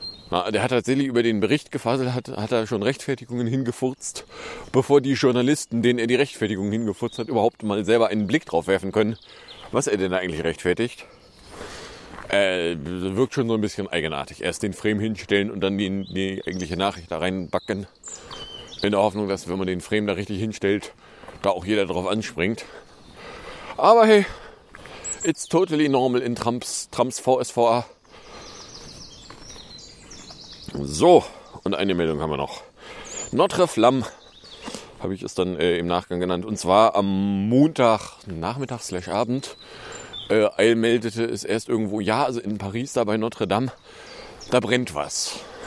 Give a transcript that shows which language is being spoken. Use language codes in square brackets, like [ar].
[de] Na, der hat tatsächlich über den Bericht gefaselt, hat er schon Rechtfertigungen hingefurzt, bevor die Journalisten, denen er die Rechtfertigung hingefurzt hat, überhaupt mal selber einen Blick drauf werfen können, was er denn eigentlich rechtfertigt. Wirkt schon so ein bisschen eigenartig. Erst den Frame hinstellen und dann die eigentliche Nachricht da reinbacken. In der Hoffnung, dass wenn man den Frame da richtig hinstellt, da auch jeder drauf anspringt. Aber hey, [en] it's totally normal in Trumps VSVA. [de] So, und eine Meldung haben wir noch. Notre Flamme, habe ich es dann im Nachgang genannt. Und zwar am Montag Nachmittag / Abend. Eil meldete es erst irgendwo, ja, also in Paris, da bei Notre Dame, da brennt was.